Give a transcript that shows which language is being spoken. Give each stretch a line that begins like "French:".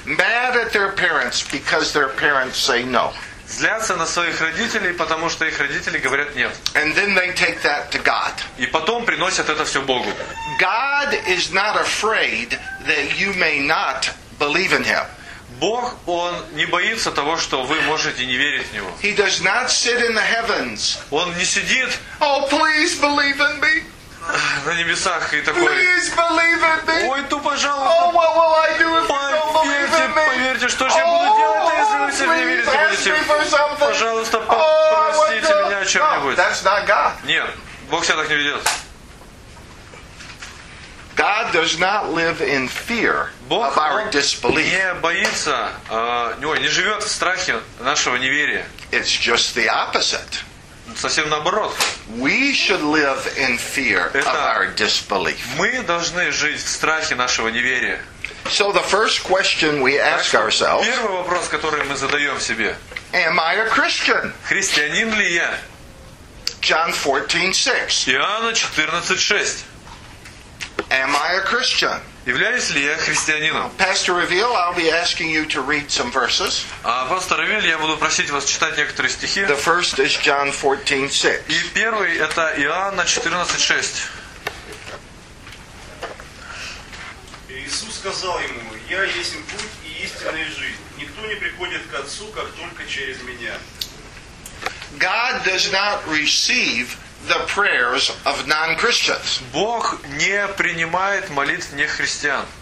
English: Mad at their parents because their parents say no.
Russian: Злятся на своих родителей, потому что их родители говорят нет.
English: And then they take that to God.
Russian: И потом приносят это все Богу.
English: God is not afraid that you may not believe in him.
Russian: Бог, он не боится того, что вы можете не верить в него.
English: He does not sit in the heavens.
Russian: Он не сидит.
English: Oh, please believe in me.
Russian: На небесах и такой.
English: Please believe in me.
Russian: Ой, ну пожалуйста.
English: Oh, what will I do if you don't believe in me?
Russian: Поверьте, что же я буду делать, если вы все не верите? Пожалуйста, простите меня о чем-нибудь.
English: No, that's not God.
Russian: Нет, Бог себя так не ведет.
English: God does not live in fear of our disbelief.
Russian: Бог не боится, не живет в страхе нашего неверия.
English: It's just the opposite.
Russian: Совсем наоборот.
English: We should live in fear
Russian: Это
English: of our disbelief.
Russian: Мы должны жить в страхе нашего неверия.
English: So the first question we ask ourselves.
Russian: Первый вопрос, который мы задаем себе.
English: Am I a Christian?
Russian: Христианин ли я?
English: John 14:6.
Russian: Иоанна 14:6.
English: Am I a Christian?
Russian: Являюсь ли я христианином?
English: Pastor Reveal, I'll be asking you to read some verses.
Russian: Пастор Ревил, я буду просить вас читать некоторые стихи.
English: The first is John 14:6.
Russian: И первый это Иоанна 14:6. Иисус сказал ему: Я есть путь и истинная жизнь. Никто не приходит к Отцу, как только через меня.
English: God does not receive the prayers of non-Christians.
Russian: Бог не принимает молитв нехристиан.